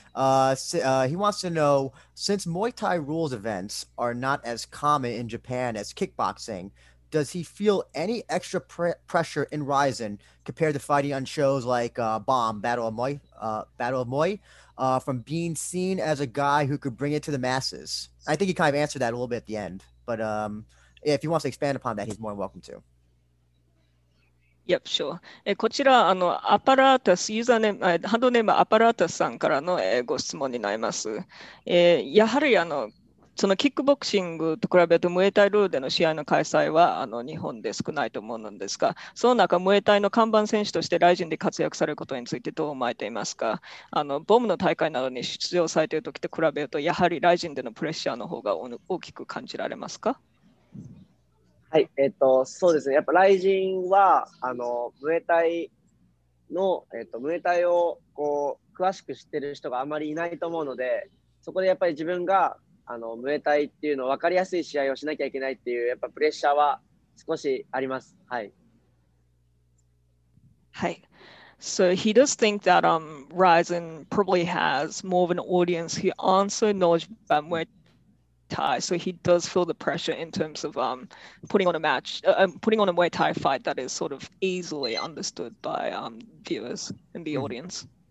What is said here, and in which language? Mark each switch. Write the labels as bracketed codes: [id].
[en] He wants to know, since Muay Thai rules events are not as common in Japan as kickboxing, does he feel any extra pressure in Ryzen compared to fighting on shows like Bomb, Battle of Muay, from being seen as a guy who could bring it to the masses? I think he kind of answered that a little bit at the end, but if he wants to expand upon that, he's more than welcome to. Yep, sure. [ja] こちらアパラータス、ユーザーネーム、ハンドネームアパラータスさんからのご質問になります。やはりそのキックボクシングと比べるとムエタイルールでの試合の開催は日本で少ないと思うんですが、その中ムエタイの看板選手としてライジンで活躍されることについてどう思われていますか。ボムの大会などに出場されている時と比べるとやはりライジンでのプレッシャーの方が大きく感じられますか。はい、そうですね、やっぱライジンはムエタイのムエタイをこう詳しく知ってる人があまりいないと思うので、そこでやっぱり自分がムエタイっていうのを分かりやすい試合をしなきゃいけないっていう、やっぱプレッシャーは少しあります。はい。はい。 [en] So he does think that Ryzen probably has more of an audience who aren't so knowledgeable about Muay Thai. Tie. So he does feel the pressure in terms of putting on a Muay Thai fight that is sort of easily understood by viewers and the audience.